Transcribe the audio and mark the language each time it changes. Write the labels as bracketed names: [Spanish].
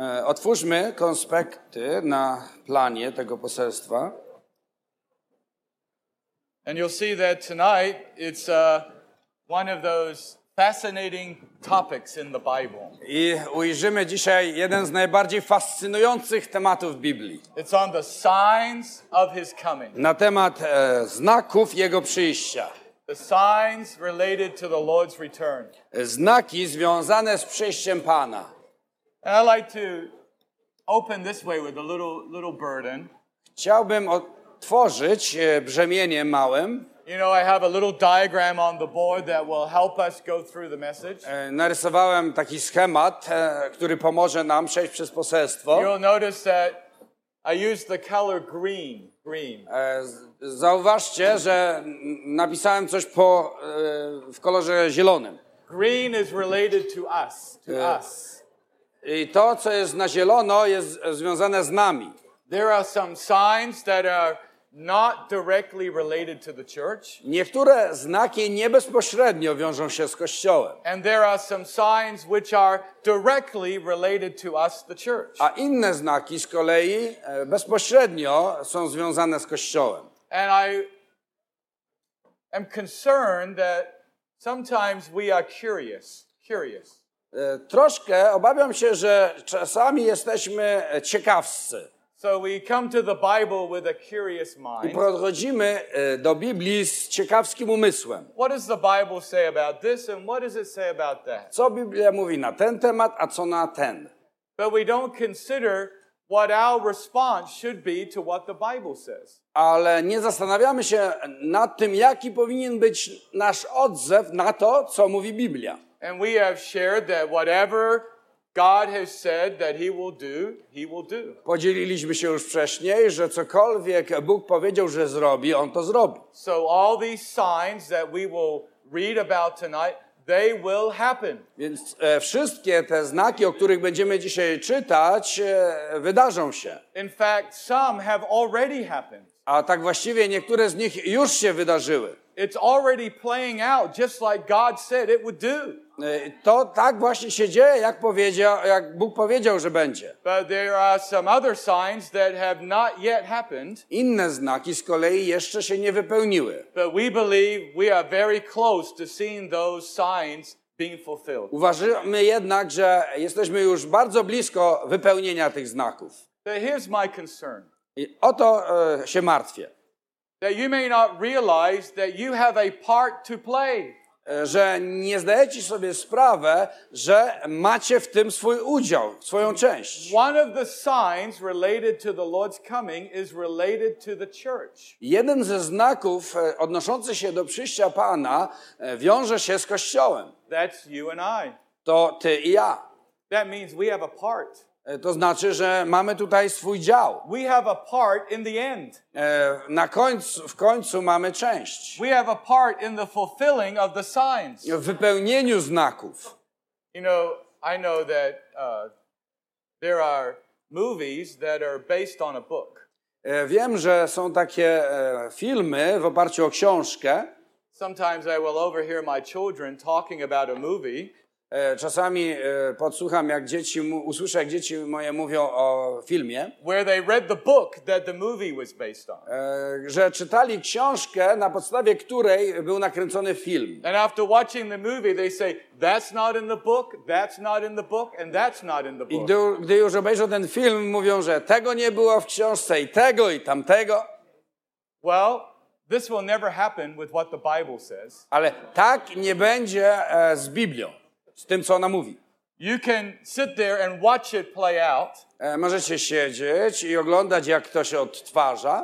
[Polish] Otwórzmy konspekty na planie tego poselstwa. [English] And you'll see that tonight it's one of those fascinating topics in the Bible. [Polish] I ujrzymy dzisiaj jeden z najbardziej fascynujących tematów Biblii. [English] It's on the signs of his coming. [Polish] Na temat znaków jego przyjścia. [English] The signs related to the Lord's return. [Polish] Znaki związane z przyjściem Pana. [English] And I'd like to open this way with a little burden. [Polish] Chciałbym otworzyć brzemienie małym. [English] You know, I have a little diagram on the board that will help us go through the message. [Polish] Narysowałem taki schemat, który pomoże nam przejść przez poselstwo. [English] You'll notice that I use the color green. [Polish] Zauważcie, że napisałem coś po w kolorze zielonym. [English] Green is related to us. To us. [Polish] I to, co jest na zielono, jest związane z nami. [English] There are some signs that are not directly related to the church. [Polish] Niektóre znaki nie bezpośrednio wiążą się z kościołem. [English] And there are some signs which are directly related to us, the church. [Polish] A inne znaki z kolei bezpośrednio są związane z kościołem. [English] And I am concerned that sometimes we are curious. [Polish] Troszkę obawiam się, że czasami jesteśmy ciekawscy. [English] So we come to the Bible with a curious mind. [Polish] I podchodzimy do Biblii z ciekawskim umysłem. [English] What does the Bible say about this and what does it say about that? [Polish] Co Biblia mówi na ten temat, a co na ten? [English] But we don't consider what our response should be to what the Bible says. [Polish] Ale nie zastanawiamy się nad tym, jaki powinien być nasz odzew na to, co mówi Biblia. [English] And we have shared that whatever God has said that he will do, he will do. [Polish] Podzieliliśmy się już wcześniej, że cokolwiek Bóg powiedział, że zrobi, on to zrobi. [English] So all these signs that we will read about tonight, they will happen. [Polish] Więc wszystkie te znaki, o których będziemy dzisiaj czytać, wydarzą się. [English] In fact, some have already happened. [Polish] A tak właściwie niektóre z nich już się wydarzyły. [English] It's already playing out just like God said it would do. [Polish] To tak właśnie się dzieje, jak powiedział, jak Bóg powiedział, że będzie. [English] But there are some other signs that have not yet happened. [Polish] Inne znaki z kolei jeszcze się nie wypełniły. [English] But we believe we are very close to seeing those signs being fulfilled. [Polish] Uważamy jednak, że jesteśmy już bardzo blisko wypełnienia tych znaków. [English] But here's my concern. [Polish] I oto się martwię. [English] That you may not realize that you have a part to play. [Polish] Że nie zdajecie sobie sprawę, że macie w tym swój udział, swoją część. [English] One of the signs related to the Lord's coming is related to the church. [Polish] Jeden ze znaków odnoszący się do przyjścia Pana wiąże się z Kościołem. [English] That's you and I. [Polish] To ty i ja. [English] That means we have a part. [Polish] To znaczy, że mamy tutaj swój dział. [English] We have a part in the end. [Polish] W końcu mamy część. [English] We have a part in the fulfilling of the signs. [Polish] W wypełnieniu znaków. [English] You know, I know that there are movies that are based on a book. [Polish] Wiem, że są takie filmy w oparciu o książkę. [English] Sometimes I will overhear my children talking about a movie. [Polish] Czasami podsłucham, jak dzieci usłyszę, jak dzieci moje mówią o filmie. [English] Where they read the book that the movie was based on. [Polish] Że czytali książkę, na podstawie której był nakręcony film. [English] And after watching the movie, they say, that's not in the book, that's not in the book, and that's not in the book. [Polish] I gdy już obejrzą ten film, mówią, że tego nie było w książce, i tego, i tamtego. [English] Well, this will never happen with what the Bible says. [Polish] Ale tak nie będzie z Biblią. Z tym, co ona mówi. [English] You can sit there and watch it play out. [Polish] Możecie siedzieć i oglądać, jak to się odtwarza.